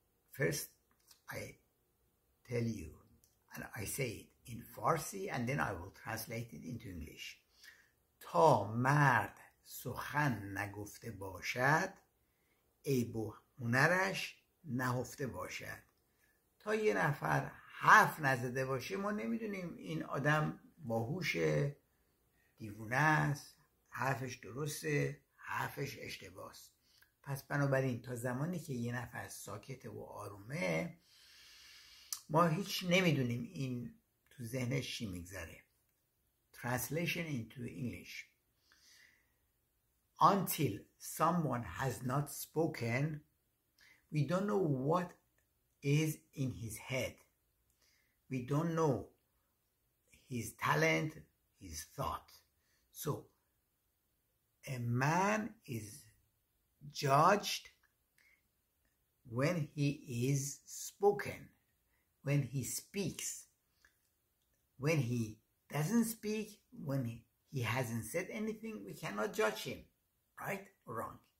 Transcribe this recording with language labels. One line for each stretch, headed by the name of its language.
English: First, I tell you, and I say it in Farsi, and then I will translate it into English.
Persian: تا مرد سخن نگفته باشد، عیب و هنرش نهفته باشد. تا یه نفر حرف نزده باشه، ما نمیدونیم این آدم باهوشه، دیوونه است، حرفش درسته، حرفش اشتباه است. پس بنابراین تا زمانی که یه نفر ساکت و آرومه، ما هیچ نمیدونیم این تو ذهنش چی میگذره.
English: Translation into English. Until someone has not spoken, we don't know what is in his head. We don't know his talent, his thought. So, a man is judged when he is spoken, when he speaks, when he doesn't speak, when he hasn't said anything, we cannot judge him, right or wrong.